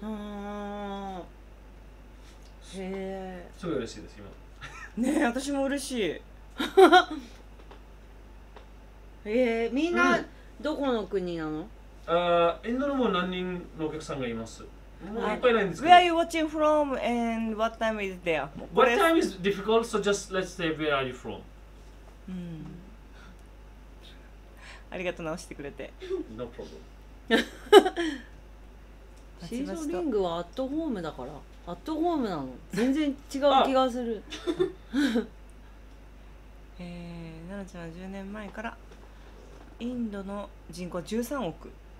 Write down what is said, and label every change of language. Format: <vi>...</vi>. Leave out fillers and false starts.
<ja>あー、へえ、すごい嬉しいです今ねえ、私も嬉しいみんなどこの国なの、うん、インドのも何人のお客さんがいます、もういっぱいないんですけど、</ja> <en>Where are you watching from and what time is there? What time is difficult, so just let's say where are you from、</en> <ja>うん、ありがとう、直してくれて。</ja> <en>No problem.</en> <ja>シードリングはアットホームだから、アットホームなの。全然違う気がする。奈々ちゃんは10年前からインドの人口13億。</ja>